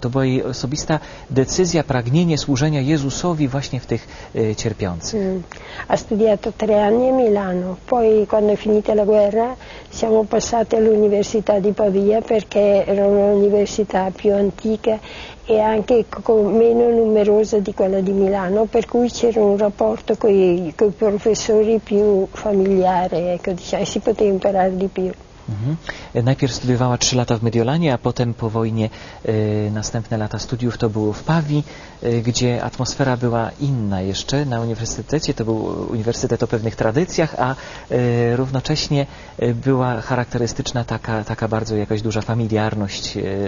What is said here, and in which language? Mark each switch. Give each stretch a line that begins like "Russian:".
Polish: To była jej osobista decyzja, pragnienie służenia Jezusowi właśnie w tych cierpiących.
Italian: Ha studiato 3 anni a Milano, poi quando è finita la guerra siamo passati all'università di Pavia, perché era un'università più antica e anche meno numerosa di quella di Milano, per cui c'era un rapporto con i professori più familiare, ecco, diciamo, si poteva imparare di più.
Polish: Najpierw studiowała 3 lata w Mediolanie, a potem po wojnie następne lata studiów to było w Pawii, gdzie atmosfera była inna jeszcze na uniwersytecie. To był uniwersytet o pewnych tradycjach, a równocześnie była charakterystyczna taka bardzo jakaś duża familiarność.